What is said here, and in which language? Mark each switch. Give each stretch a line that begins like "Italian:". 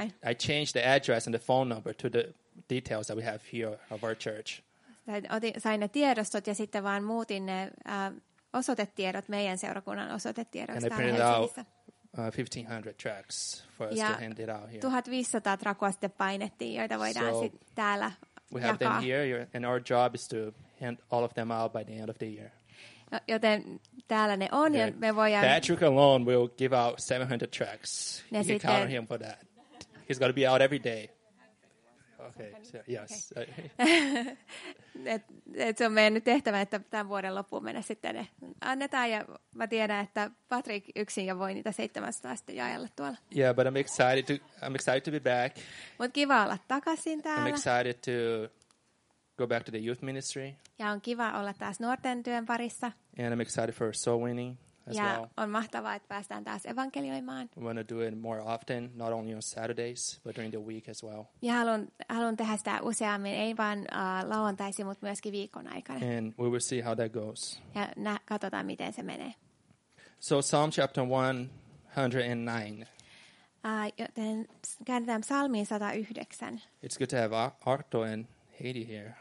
English: And I changed the address and the phone number to the details that we have here of our church.
Finnish: Sain ne tiedostot ja sitten vaan muutin ne osoitetiedot meidän seurakunnan osoitetiedoista.
English: And I printed out 1500 tracks for us to hand it out here.
Finnish: 1500 trakua sitten painettiin, joita voidaan sitten täällä jakaa.
English: We have them here and our job is to hand all of them out by the end of the year.
Finnish: Joten täällä ne on, yeah. Ja me voidaan...
English: Patrick alone will give out 700 tracks.
Finnish: Ne
English: you
Finnish: sitten...
English: can count him for that. He's got to be out every day. Okay, so, yes. Okay.
Finnish: et se on meidän nyt tehtävä, että tämän vuoden loppuun mennä sitten ne annetaan. Ja mä tiedän, että Patrick yksin ja voi niitä 700 sitten jaella tuolla.
English: Yeah, but I'm excited to be back.
Finnish: Mut kiva olla takaisin täällä.
English: I'm excited to... go back to the youth ministry.
Finnish: Ja on kiva olla taas nuorten työn parissa.
English: And I'm excited for soul winning as
Finnish: ja
English: well.
Finnish: Ja on mahtavaa, että päästään taas evankelioimaan.
English: We want to do it more often, not only on Saturdays, but during the week as well.
Finnish: Ja haluan tehdä sitä useammin, ei vain lauantaisin, mutta myöskin viikon aikana.
English: And we will see how that goes.
Finnish: Ja katsotaan, miten se menee.
English: So Psalm chapter 109.
Finnish: Joten käännetään psalmiin 109.
English: It's good to have Arto and Heidi here.